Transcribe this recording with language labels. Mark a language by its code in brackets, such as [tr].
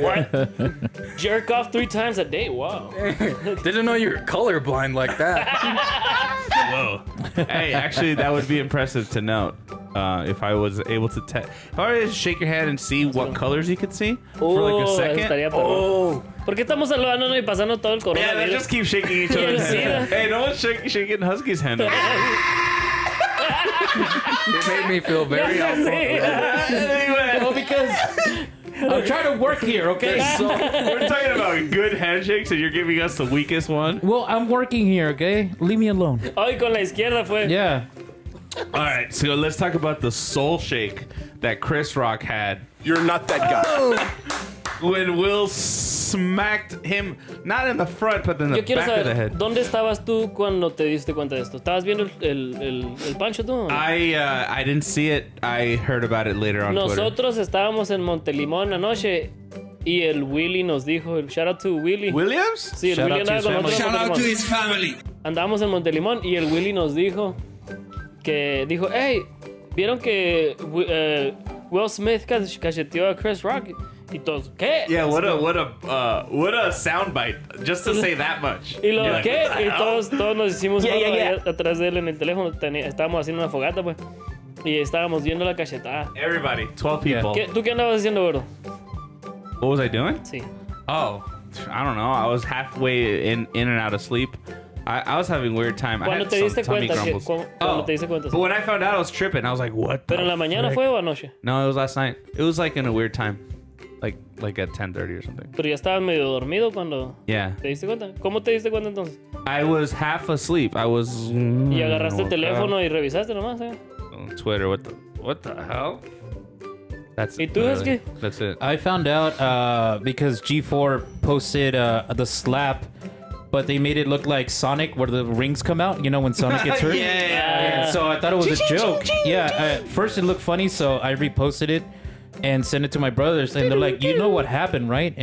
[en] What? Jerk off 3 times a day? Wow. Didn't know you were colorblind like that. Whoa. Hey, actually, that would be impressive to note. If I was able to shake your hand and see what colors you could see for like a second. [es] ¿Por qué estamos saludando y pasando todo el corona? [en] Yeah, they just keep shaking each other's hand. Hey, no one's shaking Husky's hand. It made me feel very uncomfortable. Anyway. Well, because I'm trying to work here, okay? So, we're talking about good handshakes and you're giving us the weakest one? Well, I'm working here, okay? Leave me alone. [es] Hoy con la izquierda fue. [en] Yeah. All right, so let's talk about the soul shake that Chris Rock had. You're not that guy. When Will smacked him, not in the front, but in the back of the head. [es] ¿Dónde estabas tú cuando te diste cuenta de esto? ¿Estabas viendo el pancho tú? [en] I didn't see it. I heard about it later on [es] Nosotros [en] Twitter. [es] Nosotros estábamos en Montelimón anoche y el Willy nos dijo, [en] shout out to Willy. [es] ¿Williams? Sí, el Willy andaba con nosotros. [en] Shout out to his family. [es] Andábamos en Montelimón y el Willy nos dijo que dijo, hey, ¿vieron que Will Smith cacheteó a Chris Rock? Y todos, ¿qué? [en] Yeah, what a soundbite, just to say that much. [es] Y lo que, y todos nos hicimos atrás de él en el teléfono, estábamos haciendo una fogata, pues, y estábamos viendo la cachetada. [en] Everybody, 12 people. [es] ¿Qué, tú qué andabas haciendo, gordo? [en] What was I doing? [es] Sí. [en] Oh, I don't know, I was halfway in and out of sleep. I was having a weird time. I had some tummy grumbles. But when I found out, I was tripping. I was like, what the frick? No, it was last night. It was like in a weird time. Like at 10:30 or something. [es] Pero ya estabas medio dormido cuando [en] yeah. [es] te diste cuenta. ¿Cómo te diste cuenta entonces? [en] I was half asleep. I was. [es] Y agarraste el teléfono y revisaste nomás, eh? [en] On Twitter, what the hell? That's [es] it. ¿Y tú es que? [en] That's it. I found out because G4 posted the slap, but they made it look like Sonic, where the rings come out, you know, when Sonic gets hurt. Yeah. So I thought it was a joke. Yeah, at first it looked funny, so I reposted it and send it to my brothers, and they're like, you know what happened, right?